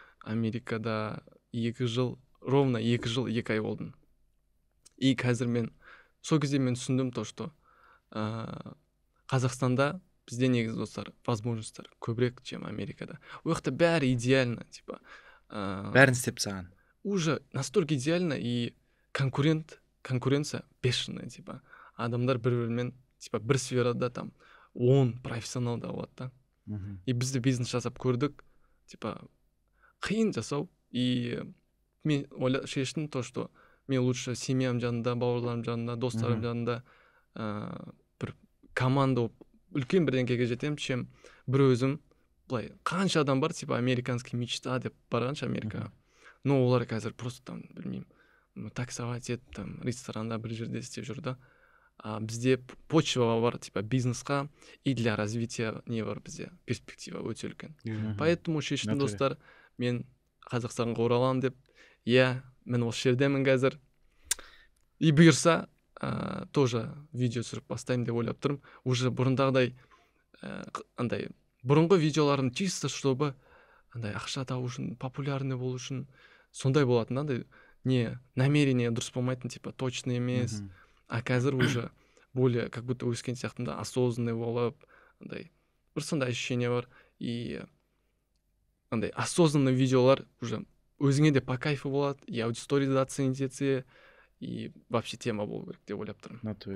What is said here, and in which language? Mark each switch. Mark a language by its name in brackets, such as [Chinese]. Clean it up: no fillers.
[Kazakh] Америкада 2 жыл, ровно 2 жыл, 2 ай болдым. И қазір мен, сол кезде мен түсіндім [Russian] то, что [Kazakh] Қазақстанда бізде негізі достар, возможностьтар көбірек, [Russian] чем Америкада. [Kazakh] Ол жақта бәрі идеально, типа. Бәрін істеп саған. [Russian] Уже настолько идеально, и конкуренция бешеная, типа. [Kazakh] Адамдар бір-бірімен, типа, бір сферада там, он профессионал да болады, да. И бізді бизнес жасап көрдік, типа, қиын жасау. И мен ойла, шештім то, что мен лучше семьям жанында, бауырларым жанында, достарым жанында бір команда оп, үлкен бірдеңкеге жетем, чем бір өзім, былай, қанша адам бар, типа, [Russian] американский мечта [Kazakh] деп барғанша Америкаға. Но олар қазір просто там, білмеймін, таксовать етіп, там, ресторанда бір жерде істеп жүр, да. А бізде почва бар, типа, бизнесқа, [Russian] и для развития [Kazakh] не бар бізде, перспектива өте үлкен. Поэтому шештім, достар, мен Қазақстанға оралам деп, иә, мен осы жердемін қазір. И бұйырса, тоже видео түсіріп бастайым деп ойлап тұрмын. Уже бұрындағыдай, андай, бұрынғы видеоларым [Russian] чисто, чтобы [Kazakh] андай ақша табу үшін, популярный болу үшін сондай болатын, андай не намерение дұрыс болмайтын, типа точно емес. А қазір [Russian] уже более как будто [Kazakh] өскен сияқтында осознанный болып, андай бір сондай ощущение бар. И андай осознанный видеолар уже өзіңе де [Russian] по кайфу [Kazakh] болады, и аудиторияда оценить етсе, и вообще тема болу керек деп ойлап тұрмын.